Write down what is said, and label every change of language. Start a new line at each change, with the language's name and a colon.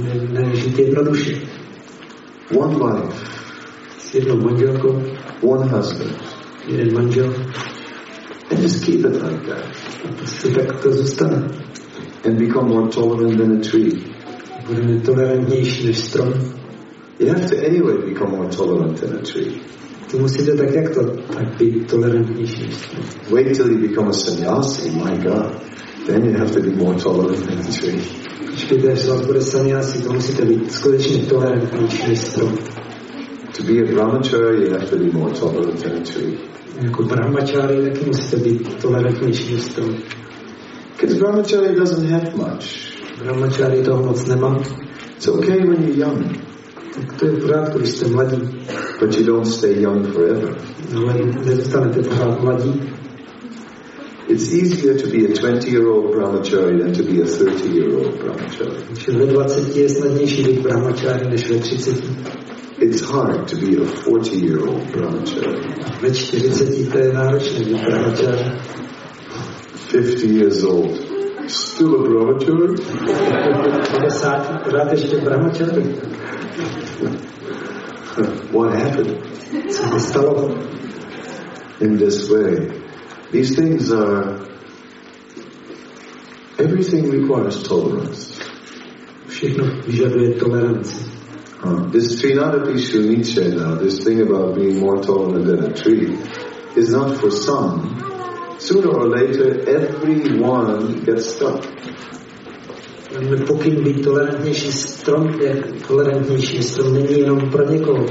Czech: Nežít jednoduše.
English: One wife.
Czech: S jednou manželkou.
English: One husband.
Czech: Jeden manžel.
English: And just keep it like that.
Czech: A prostě tak to zůstane.
English: And become more tolerant than a tree.
Czech: Budeme tolerantnější než strom.
English: You have to anyway become more tolerant than a tree.
Czech: To musíte tak jak to, tak být tolerantnější než strom.
English: Wait till you become a sannyasi, my God. Then you have to be more tolerant than a tree.
Czech: Počkejte, až vás bude sannyasi, to musíte být skutečně tolerantnější než strom.
English: To be a brahmachari, you have to be more tolerant than a tree.
Czech: Jako brahmachari, taky musíte být tolerantnější než strom.
English: Because brahmachari doesn't have much.
Czech: Brahmachari toho moc nemá.
English: It's okay when you're young.
Czech: Tak to je pořád, když jste mladí.
English: But you don't stay young forever.
Czech: Ale nezůstanete pořád mladí.
English: It's easier to be a 20-year-old brahmachari than to be a 30-year-old brahmachari.
Czech: Čili ve 20 je snadnější být brahmachari než ve 30.
English: It's hard to be a 40-year-old brahmachari.
Czech: Ve 40 to je náročné být brahmachari.
English: 50 years old. Still a brahmachari?
Czech: 50, rád ještě brahmachari.
English: What happened?
Czech: Co se stalo?
English: In this way. These things are... Everything requires tolerance.
Czech: Všechno vyžaduje tolerance.
English: This Trinadapi Shunice now, this thing about being more tolerant than a tree, is not for some. Sooner or later, everyone gets stuck.
Czech: Pokud být tolerantnější strom, je tolerantnější strom, není jenom pro někoho.